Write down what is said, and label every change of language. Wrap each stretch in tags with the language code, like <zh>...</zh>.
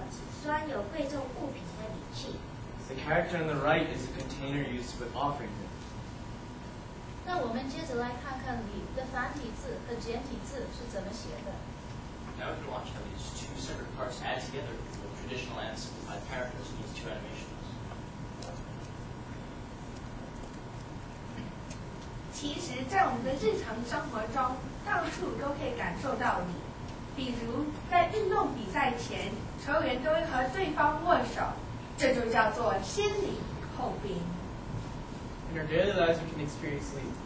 <zh>在右边是"供"，"供"就代表着装有贵重物品的礼器。</zh> <en>The character on the right is a container used with offering.</en> <zh>那我们接着来看看"礼"的繁体字和简体字是怎么写的。</zh> <en>Now, if you watch, there are two separate parts added together with traditional and simplified characters in these two animations.</en> <zh>其实，在我们的日常生活中，到处都可以感受到礼，比如在运动比赛前，球员都会和对方握手。</zh> <en>In our daily lives, we can experience Li.</en>